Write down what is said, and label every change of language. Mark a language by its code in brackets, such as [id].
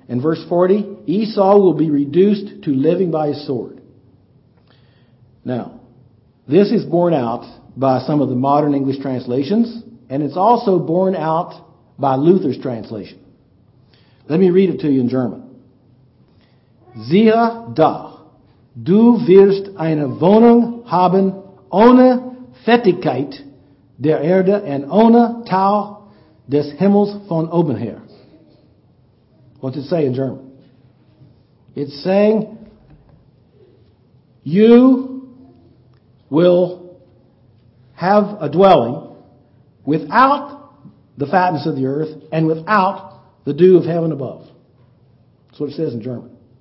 [en] In verse 40, Esau will be reduced to living by his sword. Now, this is borne out by some of the modern English translations, and it's also borne out by Luther's translation. Let me read it to you in German. [de] Siehe da, du wirst eine Wohnung haben ohne Fettigkeit der Erde und ohne Tau des Himmels von oben her. [en] What's it say in German? It's saying, you will have a dwelling without the fatness of the earth and without the dew of heaven above. That's what it says in German.